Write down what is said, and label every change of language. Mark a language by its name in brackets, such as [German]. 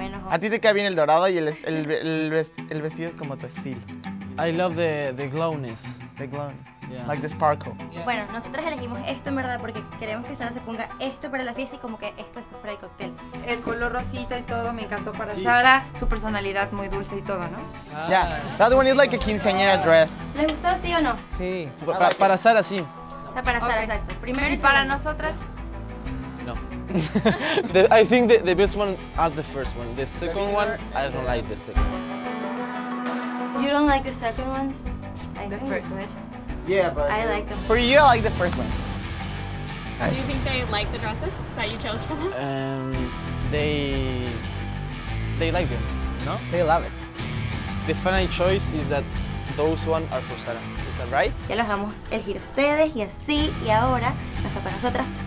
[Spanish] A ti te cae bien el dorado y el vestido es como tu estilo. [English] I love the glowness. The glowness. Yeah. Like the sparkle. Yeah. [Spanish] Bueno, nosotros elegimos esto en verdad porque queremos que Sara se ponga esto para la fiesta y como que esto es para el cóctel. El color rosita y todo me encantó para sí. Sara. Su personalidad muy dulce y todo, ¿no? Ah. [English] Yeah, that one is like a quinceañera dress. [Spanish] ¿Les gustó, sí o no? Sí. Para Sara, sí. O sea, para Sara, exacto. Primero y para nosotras. [English] No. I think the best one are the first one. The second one, I don't like the second one. You don't like the second ones? The first one. Yeah, but I like them. For you, I like the first one. Do you think they like the dresses that you chose for them? They like them. No, they love it. The final choice is that those ones are for Sara. Is that right? [Spanish] Ya los vamos a elegir ustedes y así y ahora nos toca a nosotras.